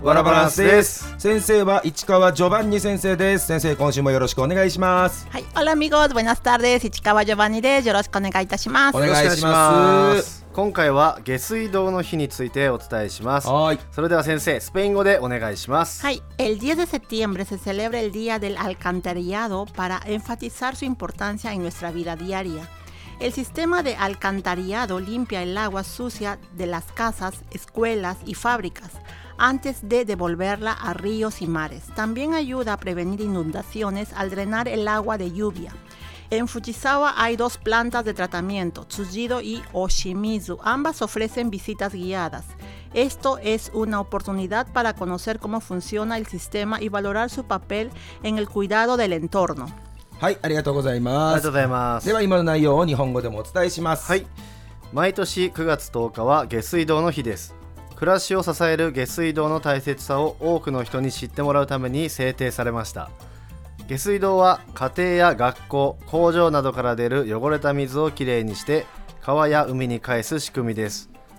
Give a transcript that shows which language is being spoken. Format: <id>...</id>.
<ja>ワラバランスです。先生は市川ジョバンニ先生です。先生今週もよろしくお願いします。はい、</ja> <es>オラミゴーズ、ブナスター</es> <ja>です。市川ジョバンニです。よろしくお願いいたします。お願いします。今回は下水道の日についてお伝えします。はい、それでは先生スペイン語でお願いします。</ja> <es>はい、el 10 de septiembre se celebra el día del alcantarillado para enfatizar su importancia en nuestra vida diaria. El sistema de alcantarillado limpia el agua sucia de las casas, escuelas y fábricas antes de devolverla a ríos y mares. También ayuda a prevenir inundaciones al drenar el agua de lluvia. En Fujisawa hay dos plantas de tratamiento, Tsujido y Oshimizu. Ambas ofrecen visitas guiadas. Esto es una oportunidad para conocer cómo funciona el sistema y valorar su papel en el cuidado del entorno.</es> <ja>はい、ありがとうございます。ありがとうございます。では今の内容を日本語でもお伝えします。はい、毎年9月10日は下水道の日です。暮らしを支える下水道の大切さを多くの人に知ってもらうために制定されました。下水道は家庭や学校、工場などから出る汚れた水をきれいにして川や海に返す仕組みです。</ja>